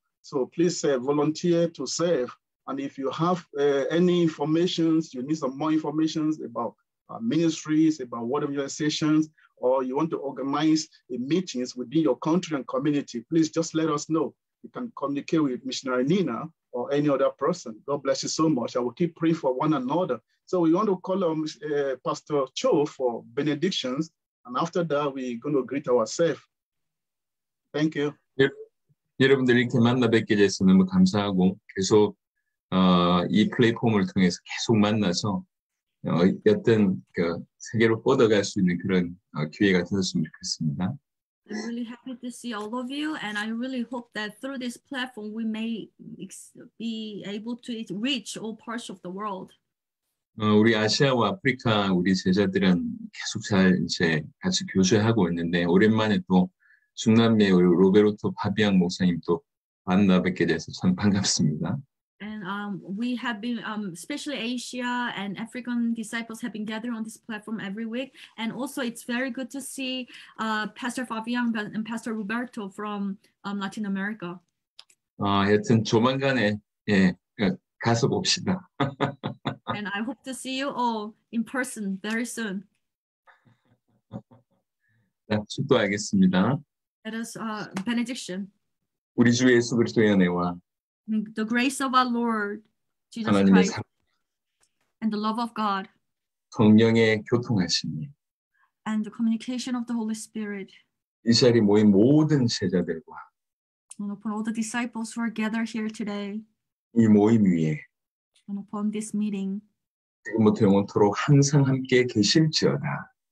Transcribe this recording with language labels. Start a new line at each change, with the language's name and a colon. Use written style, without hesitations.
English: So please volunteer to serve. And if you have any information, you need some more information about ministries, about whatever your sessions, or you want to organize meetings within your country and community, please just let us know. You can communicate with Missionary Nina or any other person. God bless you so much. I will keep praying for one another. So we want to call on Pastor Cho for benedictions. And after that, we're going to greet ourselves. Thank you.
Korean: 여러분들 이렇게 만나 뵙게 돼서 너무 감사하고 계속 이 플랫폼을 통해서 계속 만나서 어떤 그 세계로 뻗어갈 수 있는 그런 기회가 되었으면 좋겠습니다.
English: I'm really happy to see all of you, and I really hope that through this platform we may be able to reach all parts of the world.
Korean: 우리 아시아와 아프리카 우리 제자들은 계속 잘 이제 같이 교제하고 있는데 오랜만에 또 중남미 우리 로베르토 파비앙 목사님 또 만나 뵙게 돼서 참 반갑습니다.
English: And we have been, especially Asia and African disciples have been gathered on this platform every week. And also it's very good to see Pastor Fabian and Pastor Roberto from Latin America.
Korean: 하여튼 조만간에 예, 가서 봅시다.
English: And I hope to see you all in person very soon.
Korean: 네, 축도하겠습니다.
English: Let us benediction.
Korean: 우리 주 예수 그리스도의 은혜와
English: The grace of our Lord Jesus Christ and the love of God
Korean: 성령의 교통하심이
English: and the communication of the Holy Spirit
Korean: 이 자리에 모인 모든 제자들과
English: and upon all the disciples who are gathered here today
Korean: 이 모임 위에
English: and upon this meeting
Korean: 지금부터 영원토록 항상 함께 계실지어다